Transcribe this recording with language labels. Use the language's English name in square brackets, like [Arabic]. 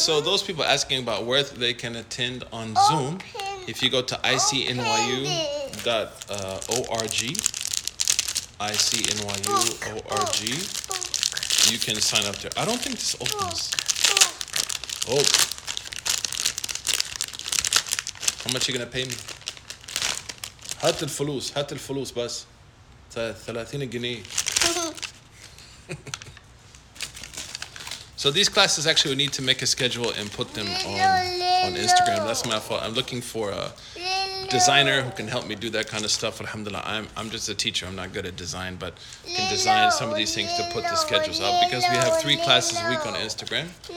[English] So those people asking about where they can attend on Zoom, if you go to icnyu.org, icnyu.org, you can sign up there. I don't think this opens. How much are you going to pay me? [Arabic] هات الفلوس هات الفلوس بس 30 جنيه. [English] So these classes, actually we need to make a schedule and put them on Instagram. That's my fault. I'm looking for a designer who can help me do that kind of stuff. Alhamdulillah, I'm just a teacher. I'm not good at design, but I can design some of these things to put the schedules up, because we have 3 classes a week on Instagram.